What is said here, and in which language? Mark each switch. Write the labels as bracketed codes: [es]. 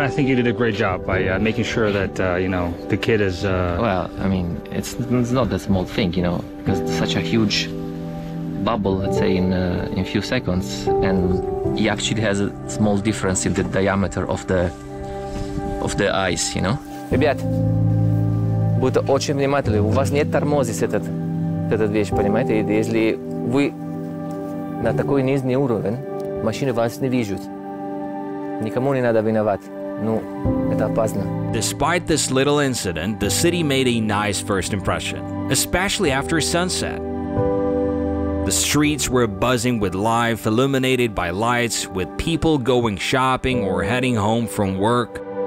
[en] I think you did a great job by making sure that, you know, the kid is... Well, I mean, it's not that small thing, you know, because it's such a huge bubble, let's say, in a few seconds, and he actually has a small difference in the diameter of the eyes, you know? [ru] Ребят, будьте очень внимательны. У вас нет тормоза с этот вещь, понимаете? Если вы на такой низкий уровень, машины вас не видят. Никому не надо виноват. Ну, это опасно. [en] Despite this little incident, the city made a nice first impression, especially after sunset. The streets were buzzing with life, illuminated by lights, with people going shopping or heading home from work.